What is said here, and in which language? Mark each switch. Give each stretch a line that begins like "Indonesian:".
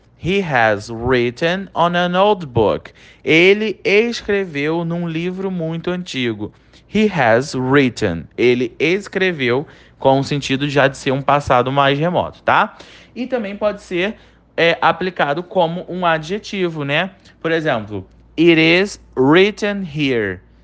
English: He has written on an old book.
Portuguese: Ele escreveu num livro muito antigo.
English: He has written.
Portuguese: Ele escreveu com o sentido já de ser um passado mais remoto, tá? E também pode ser aplicado como um adjetivo, né? Por exemplo,
English: it is written here.